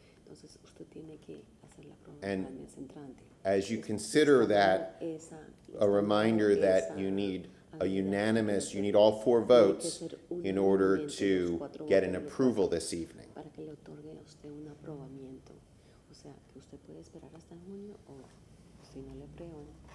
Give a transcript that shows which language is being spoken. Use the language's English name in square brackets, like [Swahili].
[Spanish] Entonces usted tiene que hacer la prueba en el mes entrante. [English] As you consider that, a reminder that you need a unanimous, you need all four votes in order to get an approval this evening. [Spanish] Para que le otorgue a usted un aprobamiento. O sea, que usted puede esperar hasta junio o si no le aprueban.